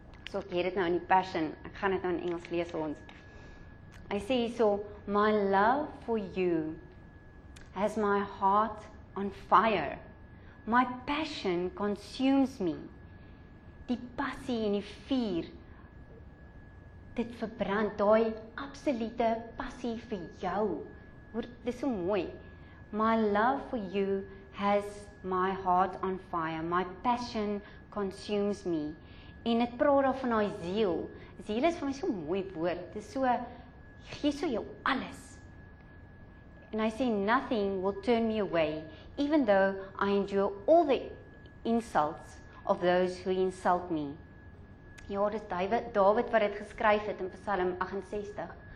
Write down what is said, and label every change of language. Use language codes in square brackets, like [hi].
[af] So ek het dit nou in die Passion, ek gaan dit nou in Engels lees vir ons. Hy sê hierso, [en] my love for you has my heart on fire. My passion consumes me. [af] Die passie en die vuur, dit verbrand, daai absolute passie vir jou. Hoor, dit is so mooi. [en] My love for you has my heart on fire. My passion consumes me. [af] En het praat al van haar ziel. Ziel is vir my so'n mooi woord. Dit is so, gee so jou alles. [en] And I say, nothing will turn me away, even though I endure all the insults of those who insult me. [af] Ja, dis David wat dit geskryf het in Psalm 68.